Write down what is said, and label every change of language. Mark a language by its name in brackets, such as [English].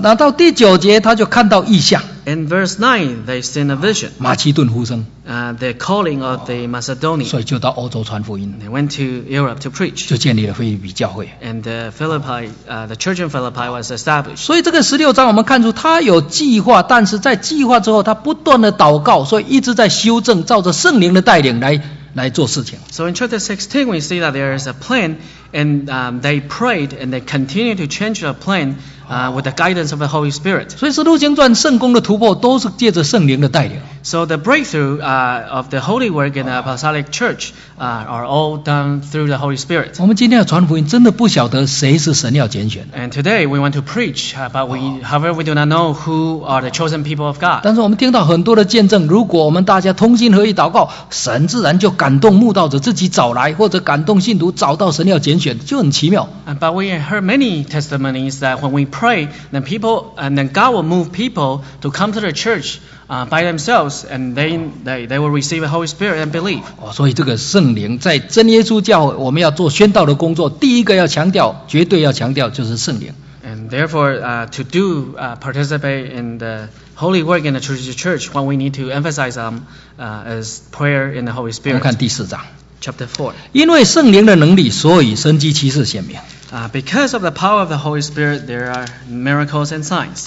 [Chinese] 那到第九节他就看到异象。 [English] In verse 9 they seen a vision. [Chinese] 马其顿呼声。 [English] The calling of the Macedonian. [Chinese] 所以就到欧洲传福音。 [English] They went to Europe to preach. [Chinese] 就建立了腓立比教会。 [English] And the Philippi, the church in Philippi was established. [Chinese] 所以这个十六章我们看出他有计划，但是在计划之后，他不断的祷告，所以一直在修正，照着圣灵的带领来做事情。 [English] So in chapter 16, we see that there is a plan, and they prayed and they continue to change the plan with the guidance of the Holy Spirit. [Chinese] 所以使徒行传圣功的突破都是借着圣灵的带领。 [English] So the breakthrough of the holy work in the apostolic church are all done through the Holy Spirit. [Chinese] 我们今天要传福音，真的不晓得谁是神要拣选的。 [English] And today we want to preach, but however we do not know who are the chosen people of God. [Chinese] 但是我们听到很多的见证，如果我们大家同心合意祷告，神自然就感动慕道者自己找来，或者感动信徒找到神要拣选，就很奇妙。 [English] But we heard many testimonies that when we pray, then people and then God will move people to come to the church. By themselves, and they will receive the Holy Spirit and believe. [Chinese] 所以这个圣灵在真耶稣教会，我们要做宣道的工作，第一个要强调，绝对要强调就是圣灵。 [English] And therefore, to do participate in the holy work in the traditional church, what we need to emphasize on is prayer in the Holy Spirit. [Chinese] 我们看第四章 [English] ，Chapter Four. [Chinese] 因为圣灵的能力，所以神迹奇事显明。 [English] Because of the power of the Holy Spirit, there are miracles and signs.